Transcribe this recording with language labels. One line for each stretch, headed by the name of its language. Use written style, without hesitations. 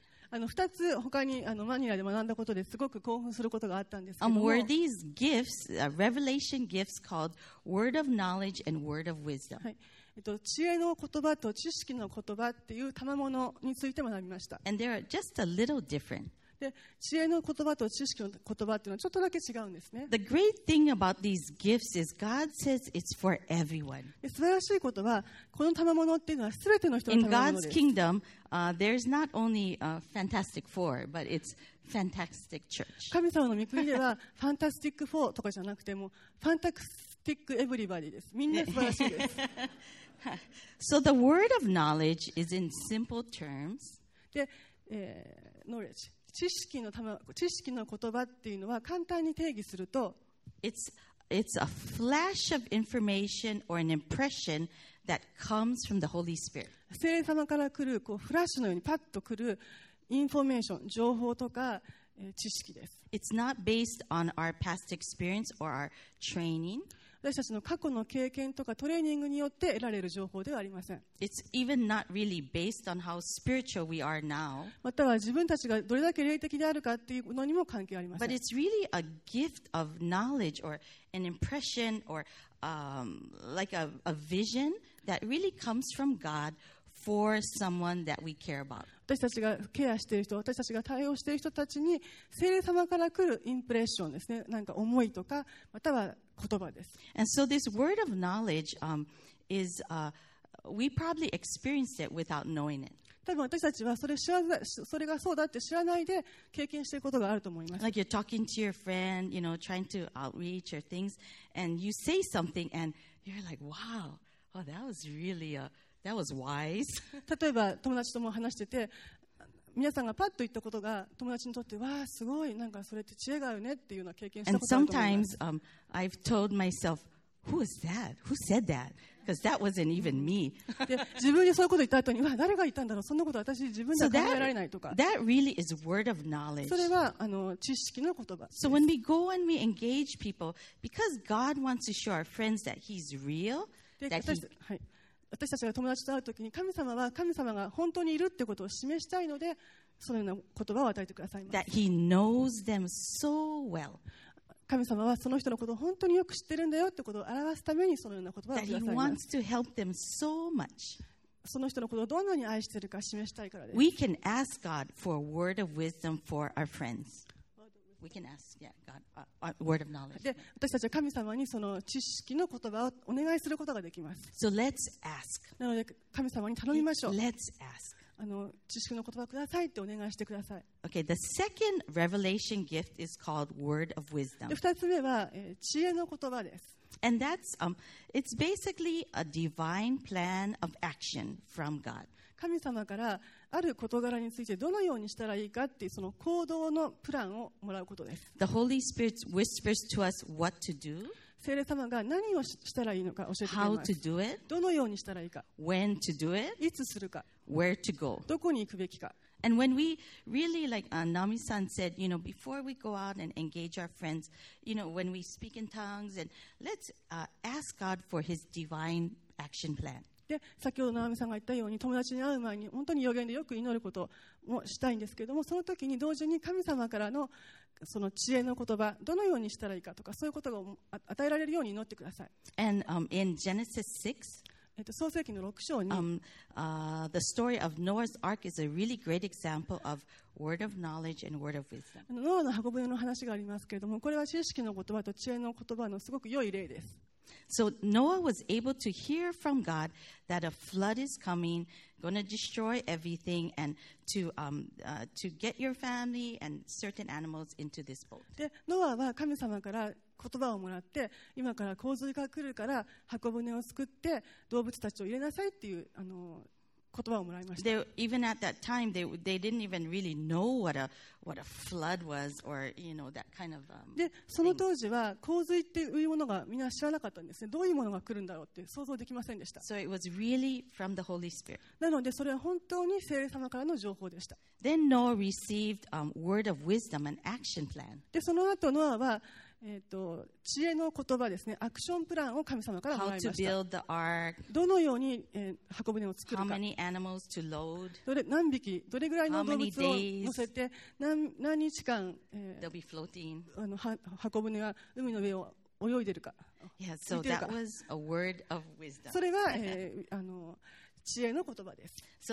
Japanese: あの二つ他にあのマニラで学んだことですごく興奮することがあったんですけども
English: Were these gifts, revelation gifts called word of knowledge and word of wisdom?
Japanese: 知恵の言葉と知識の言葉っていう賜物について学びました。
English: And they are just a little different.
Japanese: で、知恵の言葉と知識の言葉っていうのはちょっとだけ違うんですね。
English: The great thing about these gifts is God says it's for everyone.
Japanese: で、素晴らしいことは、この賜物っていうのは全ての人の賜物です。
English: In God's kingdom, there's not only a Fantastic Four, but it's Fantastic Church.
Japanese: 神様の御国では、Fantastic Four とかじゃなくても、
English: Fantastic Everybody
Japanese: です。みんな素晴らしいです。
English: So the word of knowledge is in simple terms.
Japanese: で、knowledge, 知識の知識の言葉っていうのは簡単に定義すると、
English: it's a flash of information or an impression that comes from the Holy Spirit.
Japanese: 聖霊様から来るこうフラッシュのようにパッと来るインフォメーション、情報とか、知識です。
English: It's not based on our past experience or our training.
Japanese: 私たちの過去の経験とかトレーニングによって得られる情報ではありません。
English: It's even not really based on how spiritual we are now.
Japanese: または自分たちがどれだけ霊的であるかっていうのにも関係ありません。
English: But it's really a gift of knowledge or an impression or like a vision that really comes from God for someone that we care about.
Japanese: 私たちがケアしている人、私たちが対応している人たちに聖霊様から来るインプレッションですね。なんか思いとか、または言葉です。
English: And so this word of knowledge, is, we probably experienced it without knowing it.
Japanese: 多分私たちはそれがそうだって知らないで経験していることがあると思います。
English: Like you're talking to your friend, you know, trying to outreach your things, and you say something, and you're like, wow, oh, that was really a, that was wise.
Japanese: 例えば友達とも話してて、皆さんがパッと言ったことが友達にとってわあすごいなんかそれって知恵があるねっていうような経験したことがあると思います。
English: And sometimes, I've told myself, who is that? Who said that? Because that wasn't even me.
Japanese: で、自分にそういうこと言った後にわあ誰が言ったんだろうそんなこと私自分では考えられないとか。
English: So that really is word of knowledge.
Japanese: それはあの知識の言葉。
English: So when we go and we engage people, because God wants to show our friends that He's real, that He's
Japanese: はい。私たちが友達と会うときに神様は神様が本当にいるってことを示したいのでそのような言葉を与えてくださいます
English: That he knows them so well.
Japanese: 神様はその人のことを本当によく知ってるんだよってことを表すためにそのような言葉をくださいます
English: That he wants to help them so much.
Japanese: その人のことをどんなに愛してるか示したいからです
English: We can ask God for a word of wisdom for our friends. we can ask, yeah, God, a word of knowledge.
Japanese: で、私たちは神様にその知識の言葉をお願いすることができます。
English: So let's ask.
Japanese: なので、神様に頼みましょう。
English: Let's ask.
Japanese: あの、知識の言葉くださいってお願いしてください。
English: Okay, the second revelation gift is called word of wisdom.
Japanese: で、二つ目は、知恵の言葉です。
English: And that's, it's basically a divine plan of action from God.
Japanese: 神様からある事柄についてどのようにしたらいいかっていうその行動のプランをもらうことです。
English: The Holy Spirit whispers to us what to do.
Japanese: 聖霊様が何をしたらいいのか教えてくれます。
English: How to do it.
Japanese: どのようにしたらいいか。
English: When to do it.
Japanese: いつするか。
English: Where to go.
Japanese: どこに行くべきか。
English: And when we really, like Nami-san said, you know, before we go out and engage our friends, you know, when we speak in tongues, and let's ask God for His divine action plan.
Japanese: で、先ほど Nami-san が言ったように、友達に会う前に本当に予言でよく祈ることもしたいんですけれども、その時に同時に神様からのその知恵の言葉、どのようにしたらいいかとか、そういうことが与えられるように祈ってください。
English: And in Genesis 6,
Japanese: 創世記の6章に、
English: the story of Noah's ark is a really great example of word of knowledge and word of wisdom.
Japanese: ノアの箱舟の話がありますけれども、これは知識の言葉と知恵の言葉のすごく良い例です。
English: So Noah was able to hear from God that a flood is coming, going to destroy everything, and to get your family and certain animals into this boat.
Japanese: で、ノアは神様から言葉をもらって、今から洪水が来るから箱舟を作って動物たちを入れなさいっていうあの言葉をもらいました。
English: They, even at that time, they didn't even really know what a flood was or you know that kind of
Japanese: で、その当時は洪水っていうものがみんな知らなかったんですね。どういうものが来るんだろうって想像できませんでした。
English: So it was really from the Holy Spirit.
Japanese: なのでそれは本当に聖霊様からの情報でした。
English: Then Noah received word of wisdom and action plan.
Japanese: で、その後ノアは知恵の言葉ですね、アクションプランを神様からもらいました。
English: How to build the ark.
Japanese: どのように、箱舟を作るか。
English: How many animals to load.
Japanese: どれ何匹、どれぐらいの動物を乗せて、何日間、
English: They'll be floating.
Japanese: あの箱舟が海の上を泳いでるか。
English: Yeah, so that was a word of wisdom.
Japanese: それが、あの知恵の言葉です。